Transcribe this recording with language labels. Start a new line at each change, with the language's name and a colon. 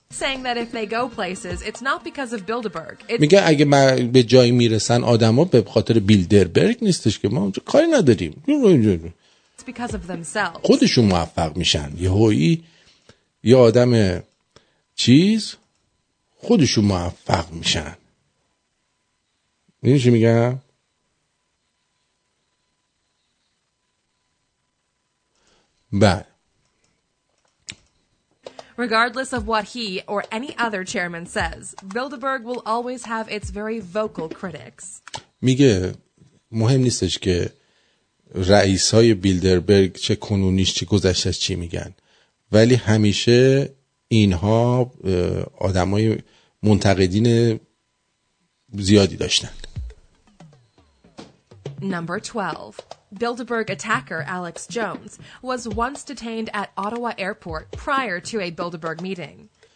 English: Saying that if they go places it's not because of Bilderberg.
Persian: میگه اگه ما به جایی میرسن آدما به خاطر بیلدربرگ نیستش که ما کاری نداریم.
English: Because of themselves.
Persian: خودشون موفق میشن. یهویی یه آدم چیز خودشون موفق میشن. میشه میگم؟ بله.
English: Regardless of what he or any other chairman says, Bilderberg will always have its very vocal critics.
Persian: میگه مهم نیستش که رئیس های بیلدربرگ چه کنونیش چه گذشتش چی میگن، ولی همیشه اینها آدمای منتقدین زیادی داشتند.
English: Number 12. Bilderberg attacker Alex Jones was once detained at Ottawa Airport prior to a Bilderberg meeting.